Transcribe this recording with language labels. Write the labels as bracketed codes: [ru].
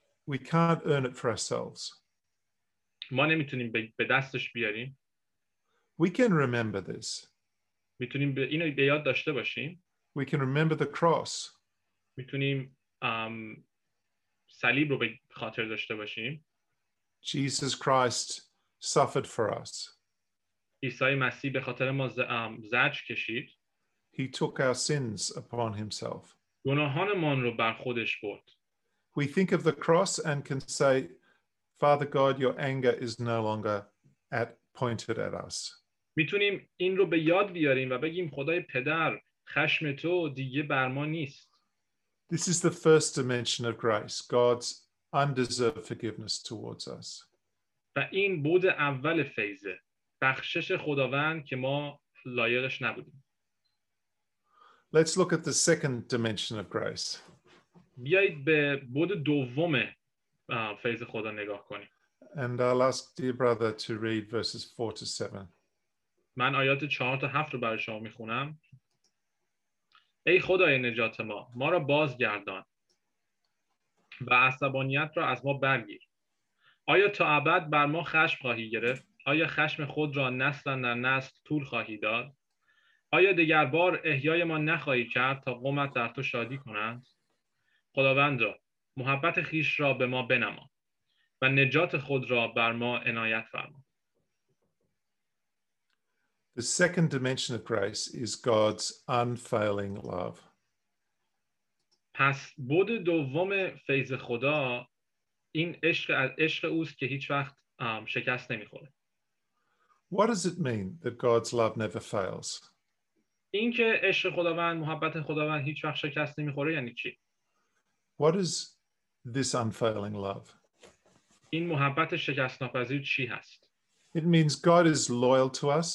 [en] We can't earn it for ourselves. [fa] ما نمیتونیم به دستش بیاریم. [en] We can remember this. [fa] میتونیم اینو به یاد داشته باشیم. [en] We can remember the cross. [fa] میتونیم صلیب رو به خاطر داشته باشیم. [en] Jesus Christ suffered for us. [fa] عیسی مسیح به خاطر ما زجر کشید. [en] He took our sins upon himself. [fa] گناهانمان رو بر خودش برد. [en] We think of the cross and can say, Father God, your anger is no longer pointed at us. [fa] میتونیم این رو به یاد بیاریم و بگیم خدای پدر خشم تو دیگه بر ما نیست. [en] This is the first dimension of grace, God's undeserved forgiveness towards us. [fa] و این بود اول فیضه. بخشش خداوند که ما لایقش نبودیم. [en] Let's look at the second dimension of grace. [fa] بیایید به بود دوم فیض خدا نگاه کنیم. [en] And I'll ask dear brother to read verses 4 to 7. [fa] من آیات 4 تا 7 رو برای شما میخونم. ای خدای نجات ما، ما را بازگردان و عصبانیت را از ما برگیر. آیا تا ابد بر ما خشم خواهی گرفت؟ آیا خشم خود را نسل در نسل طول خواهی داد؟ آیا دیگر بار احیای ما نخواهی کرد تا قومت در تو شادی کنند؟ خداوند را محبت خیش را به ما بنما و نجات خود را بر ما عنایت فرما. [en] The second dimension of grace is God's unfailing love. [fa] پس بود دوم فیض خدا این عشق از عشق اوست که هیچ وقت شکست نمیخوره. [en] What does it mean that God's love never fails? [fa] این که عشق خداوند، محبت خداوند هیچ وقت شکست نمیخوره یعنی چی؟ [en] What is this unfailing love? [fa] این محبت شکست ناپذیر چی هست؟ [en] It means God is loyal to us.